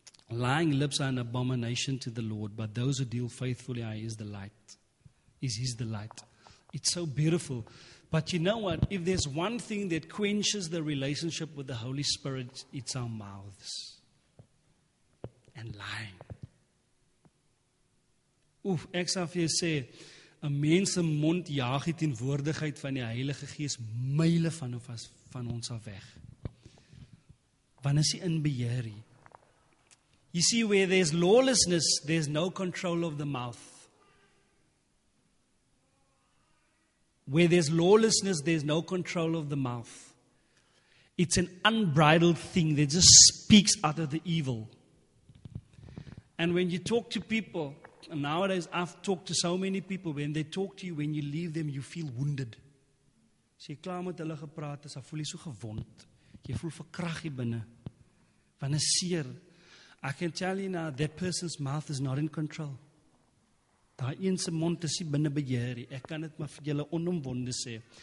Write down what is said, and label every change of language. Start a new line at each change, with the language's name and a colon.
English: Lying lips are an abomination to the Lord, but those who deal faithfully are his delight. Is his delight. It's so beautiful. But you know what? If there's one thing that quenches the relationship with the Holy Spirit, it's our mouths. And lying.
Afrikaans: Oef, ek sal vir jou sê, 'n mens se mond jaag die teenwoordigheid van die Heilige Gees myle van ons af weg. Wanneer is hy in beheer?
English: You see, where there's lawlessness, there's no control of the mouth. Where there's lawlessness, there's no control of the mouth. It's an unbridled thing that just speaks out of the evil. And when you talk to people, and nowadays I've talked to so many people, when they talk to you, when you leave them, you feel wounded.
Afrikaans: As jy klaar met hulle gepraat is, voel jy so gewond. Jy voel verkragtig binne. Van 'n seer.
English: I can tell you now, that person's mouth is not in control.
Afrikaans: Daai een se mond is nie binne beheer nie. Ek kan dit maar vir julle onomwonde sê.